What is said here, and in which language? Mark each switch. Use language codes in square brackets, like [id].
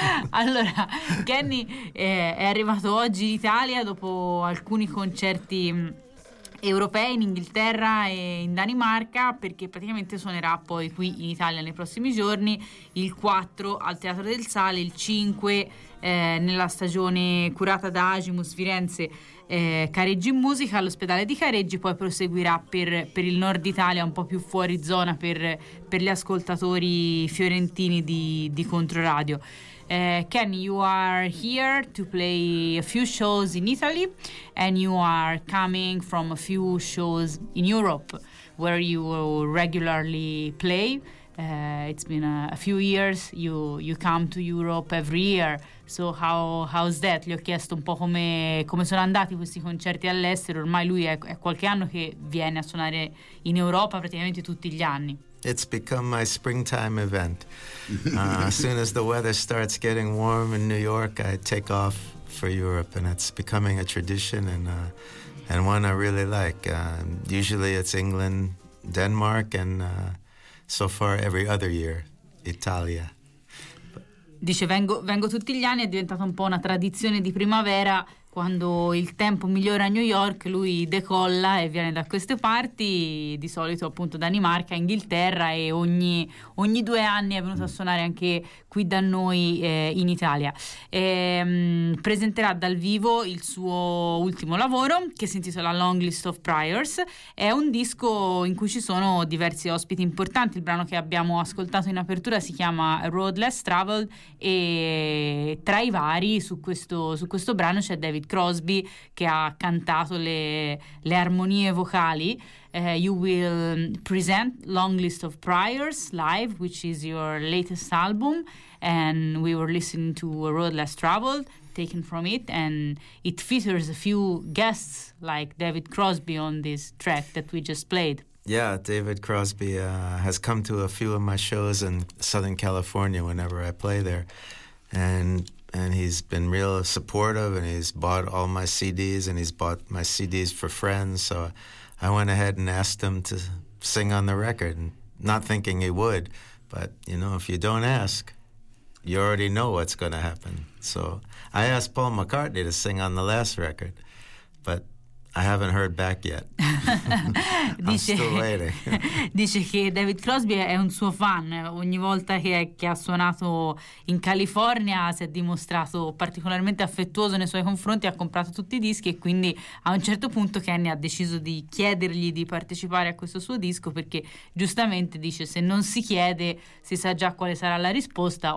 [it] Allora, Kenny è arrivato oggi in Italia dopo alcuni concerti europei in Inghilterra e in Danimarca, perché praticamente suonerà poi qui in Italia nei prossimi giorni, il 4 al Teatro del Sale, il 5 nella stagione curata da Agimus Firenze Careggi in Musica all'ospedale di Careggi, poi proseguirà per il nord Italia un po' più fuori zona per gli ascoltatori fiorentini di Controradio. [en] Kenny, you are here to play a few shows in Italy, and you are coming from a few shows in Europe where you regularly play. It's been a few years, you come to Europe every year. So how's that? [it] Gli ho chiesto un po' come sono andati questi concerti all'estero. Ormai lui è qualche anno che viene a suonare in Europa praticamente tutti gli anni. [en] It's become my springtime event. As soon as the weather starts getting warm in New York, I take off for Europe, and it's becoming a tradition and one I really like. Usually it's England, Denmark, and so far every other year, Italia. [it] Dice vengo tutti gli anni, è diventata un po' una tradizione di primavera. Quando il tempo migliora a New York, lui decolla e viene da queste parti, di solito appunto Danimarca, Inghilterra, e ogni due anni è venuto a suonare anche qui da noi in Italia. Presenterà dal vivo il suo ultimo lavoro, che si intitola Long List of Priors. È un disco in cui ci sono diversi ospiti importanti. Il brano che abbiamo ascoltato in apertura si chiama Road Less Traveled, e tra i vari su questo brano c'è David Crosby, che ha cantato le armonie vocali. [en] You will present Long List of Priors live, which is your latest album, and we were listening to A Road Less Traveled, taken from it, and it features a few guests like David Crosby on this track that we just played. Yeah, David Crosby has come to a few of my shows in Southern California whenever I play there, and he's been real supportive, and he's bought all my CDs, and he's bought my CDs for friends. So I went ahead and asked him to sing on the record, not thinking he would, but you know, if you don't ask, you already know what's going to happen. So I asked Paul McCartney to sing on the last record, but I haven't heard back yet. [it] Dice, [en] I'm still waiting. [it] Dice che David Crosby è un suo fan. Ogni volta che ha suonato in California si è dimostrato particolarmente affettuoso nei suoi confronti, ha comprato tutti i dischi e quindi a un certo punto Kenny ha deciso di chiedergli di partecipare a questo suo disco, perché giustamente dice, se non si chiede si sa già quale sarà la risposta.